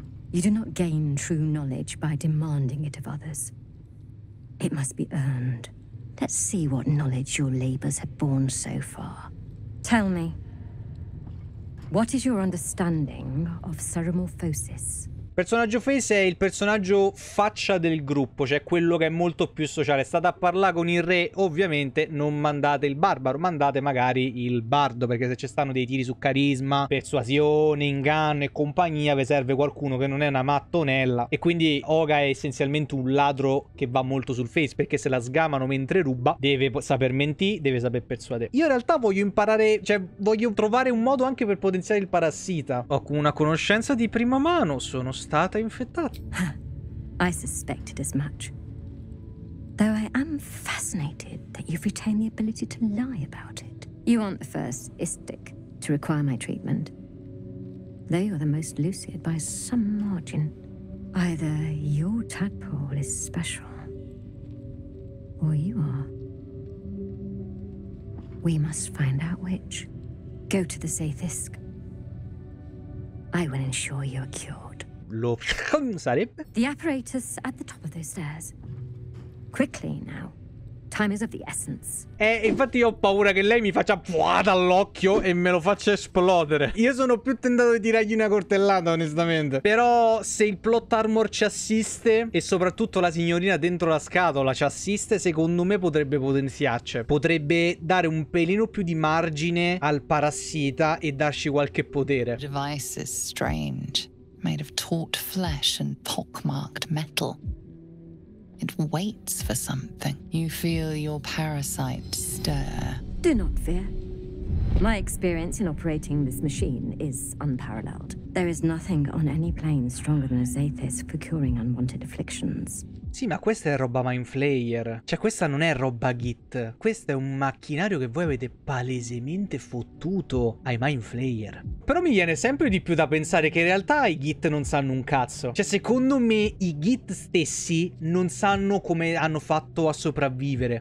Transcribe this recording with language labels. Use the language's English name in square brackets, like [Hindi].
[English] You do not gain true knowledge by demanding it of others. It must be earned. Let's see what knowledge your labors have borne so far. Tell me, what is your understanding of Seramorphosis? [Italian] Personaggio face è il personaggio faccia del gruppo, cioè quello che è molto più sociale. State a parlare con il re, ovviamente non mandate il barbaro, mandate magari il bardo, perché se ci stanno dei tiri su carisma, persuasione, inganno e compagnia, vi serve qualcuno che non è una mattonella. E quindi Oga è essenzialmente un ladro che va molto sul face, perché se la sgamano mentre ruba, deve saper mentire, deve saper persuadere. Io in realtà voglio imparare, cioè voglio trovare un modo anche per potenziare il parassita. Ho una conoscenza di prima mano, sono stata infettata. [English] I suspected as much. Though I am fascinated that you've retained the ability to lie about it. You aren't the first istic to require my treatment. Though you're the most lucid by some margin. Either your tadpole is special, or you are. We must find out which. Go to the Saethisk. I will ensure you're cured. Lo sarebbe. The apparatus at the top of those stairs. Quickly now. Time is of the essence. [Italian] Infatti io ho paura che lei mi faccia fuà dall'occhio e me lo faccia esplodere. Io sono più tentato di tirargli una coltellata, onestamente. Però se il plot armor ci assiste e soprattutto la signorina dentro la scatola ci assiste, secondo me potrebbe potenziarci. Potrebbe dare un pelino più di margine al parassita e darci qualche potere. [English] Device is strange, made of taut flesh and pockmarked metal. It waits for something. You feel your parasite stir. Do not fear. My experience in operating this machine is unparalleled. There is nothing on any plane stronger than a Zathis for curing unwanted afflictions. [Italian] Sì, ma questa è roba Mindflayer. Cioè, questa non è roba Git. Questo è un macchinario che voi avete palesemente fottuto ai Mindflayer. Però mi viene sempre di più da pensare che in realtà i Git non sanno un cazzo. Cioè, secondo me i Git stessi non sanno come hanno fatto a sopravvivere.